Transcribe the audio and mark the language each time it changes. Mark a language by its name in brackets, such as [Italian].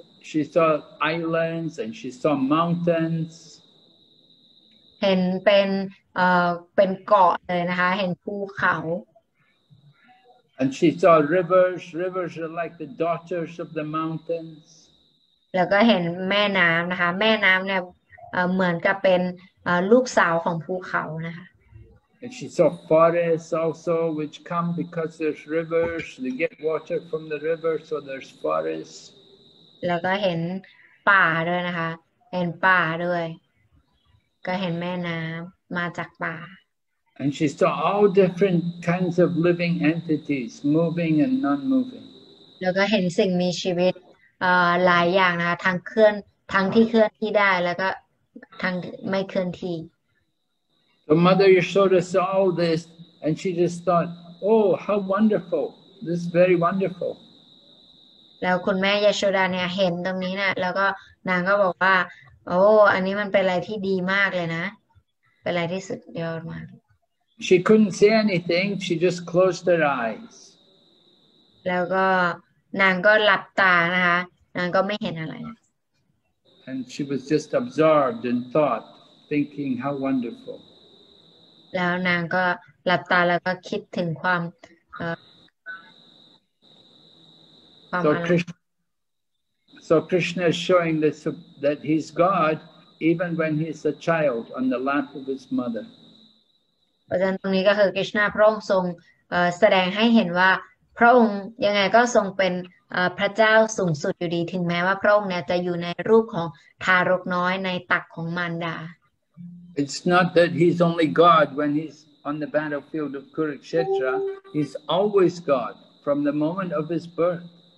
[English] She saw islands and she saw mountains [Thai] เห็นเป็นเกาะเลยนะคะเห็นภูเขา [English] And she saw rivers. Rivers are like the daughters of the mountains. [Thai] แล้วก็เห็นแม่น้ำนะคะแม่น้ำเนี่ยเหมือนกับเป็นลูกสาวของภูเขานะคะ [English] And she saw forests also, which come because there's rivers. They get water from the rivers, so there's forests. [Thai] แล้วก็เห็นป่าด้วยนะคะเห็นป่าด้วยก็เห็นแม่น้ำมาจากป่า [English] And she saw all different kinds of living entities, moving and non-moving. [Thai] แล้วก็เห็นสิ่งมีชีวิต หลายอย่างนะทั้งเคลื่อนทั้งที่เคลื่อนที่ได้แล้วก็ทั้งไม่เคลื่อนที่ [English] The mother Yashoda saw all this and she just thought, oh, how wonderful. This is very wonderful. [Thai] แล้วคุณแม่ยโสดาเนี่ยเห็นตรงนี้นะแล้วก็นางก็บอกว่าโอ้อันนี้มันเป็นอะไรที่ดีมากเลยนะเป็นอะไรที่สุดยอดมาก [English] She couldn't say anything. She just closed her eyes. [Thai] แล้วก็นางก็หลับตานะคะนางก็ไม่เห็นอะไร [English] And she was just absorbed in thought, thinking how wonderful. [Thai] แล้วนางก็หลับตาแล้วก็คิดถึงความความอะไร [English] So Krishna is showing this, that he's God even when he's a child on the lap of his mother. [Thai] เพราะฉะนั้นตรงนี้ก็คือ Krishna พระองค์ทรงแสดงให้เห็นว่าพระองค์ยังไงก็ทรงเป็นพระเจ้าสูงสุดอยู่ดีถึงแม้ว่าพระองค์เนี่ยจะอยู่ในรูปของทารกน้อยในตักของมารดา [English] It's not that he's only God when he's on the battlefield of Kurukshetra. He's always God from the moment of his birth.